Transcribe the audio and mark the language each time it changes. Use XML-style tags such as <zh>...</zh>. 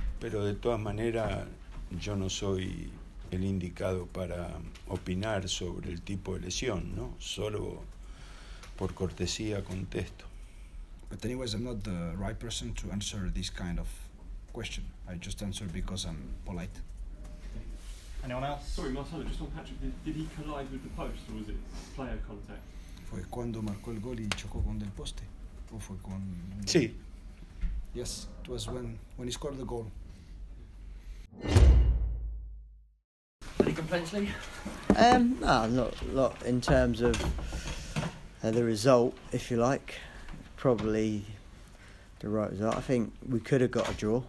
<es>Pero de todas maneras, yo no soy el indicado para opinar sobre el tipo de lesión, ¿no? Solo por cortesía contesto.</es> <en>But anyways, I'm not the right person to answer this kind of question. I just answer because I'm polite. Anyone else? Sorry, Marcelo, just on Patrick, did he collide with the post or was it player contact?</en> <es>Fue cuando marcó el gol y chocó con el poste. ¿O fue con? Sí.</es> <en>Yes, it was when he scored the goal. Any complaints, Lee? No, not in terms of the result, if you like. Probably the right result. I think we could have got a draw.</en>